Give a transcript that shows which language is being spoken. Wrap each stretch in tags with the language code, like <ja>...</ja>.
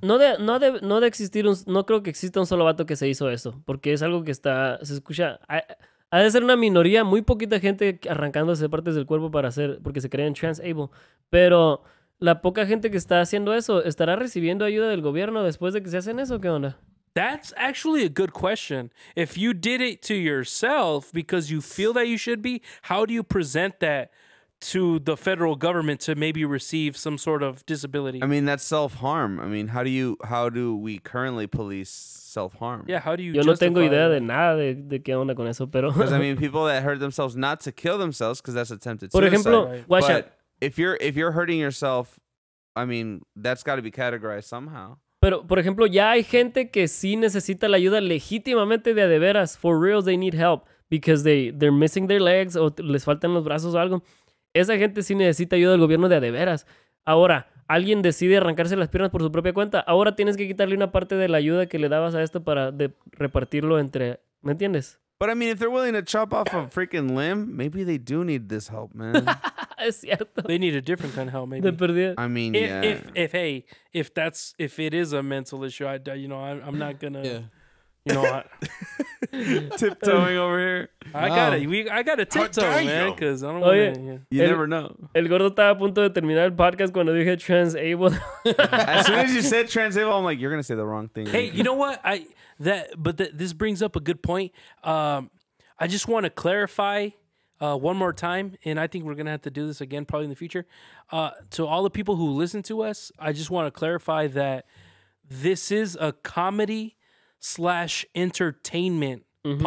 <es>No de existir un no creo que exista un solo vato que se hizo eso, porque es algo que está se escucha ha de ser una minoría, muy poquita gente arrancándose partes del cuerpo para hacer porque se creen trans able, pero la poca gente que está haciendo eso estará recibiendo ayuda del gobierno después de que se hacen eso, ¿qué onda?</es> <en>That's actually a good question. If you did it to yourself because you feel that you should be, how do you present that to the federal government to maybe receive some sort of disability? I mean, that's self-harm. I mean, how do we currently police self-harm? Yeah, how do you justify it?</en> <es>Yo no tengo idea de nada de qué onda con eso, pero...</es> <en>Because, I mean, people that hurt themselves not to kill themselves because that's attempted suicide.</en> <es>Por ejemplo,</es> <en>watch out. If you're hurting yourself, I mean, that's got to be categorized somehow.</en> <es>Pero, por ejemplo, ya hay gente que sí necesita la ayuda legítimamente de veras.</es> <en>For real, they need help because they're missing their legs</en> <es>o les faltan los brazos o algo. Esa gente sí necesita ayuda del gobierno de veras. Ahora, alguien decide arrancarse las piernas por su propia cuenta. Ahora tienes que quitarle una parte de la ayuda que le dabas a esto para de repartirlo entre... ¿Me entiendes?</es> <en>But I mean, if they're willing to chop off a freaking limb, maybe they do need this help, man.</en> <es>Es cierto.</es> <en>They need a different kind of help, maybe.</en> <es>De perdida.</es> <en>I mean, if it is a mental issue, I'm not gonna, you know, tiptoeing over here. I gotta tiptoe, man, because I don't want to. Yeah. You never know.</en> <es>El gordo estaba a punto de terminar el podcast cuando dije transable.</es> <en>As soon as you said transable, I'm like, you're gonna say the wrong thing. Hey, you know what? This brings up a good point. I just want to clarify one more time, and I think we're going to have to do this again probably in the future. To all the people who listen to us, I just want to clarify that this is a comedy / entertainment mm-hmm.</en>